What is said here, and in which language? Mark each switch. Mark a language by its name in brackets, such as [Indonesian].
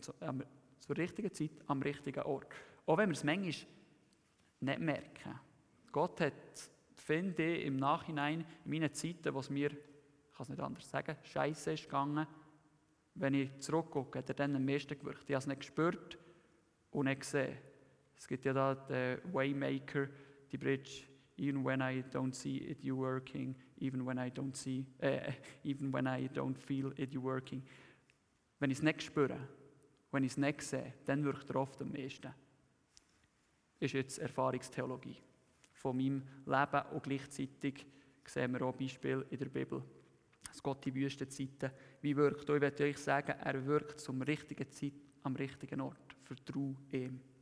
[German] Zur richtigen Zeit am richtigen Ort. Auch wenn wir es manchmal nicht merken. Gott hat, finde ich, im Nachhinein, in meinen Zeiten, wo es mir, ich kann es nicht anders sagen, scheiße ist gegangen, wenn ich zurückgucke, hat er dann am meisten gewirkt. Ich habe es nicht gespürt und nicht gesehen. Es gibt ja da den Waymaker, die Bridge, [English] even when I don't see it, you working, even when I don't see, even when I don't feel it, you working. [German] Wenn ich es nicht spüre, wenn ich es nicht sehe, dann wirkt er oft am meisten. Das ist jetzt Erfahrungstheologie von meinem Leben und gleichzeitig sehen wir auch Beispiele in der Bibel. Es geht in Wüstenzeiten. Wie wirkt er? Ich möchte euch sagen, er wirkt zum richtigen Zeit am richtigen Ort. Vertraue ihm.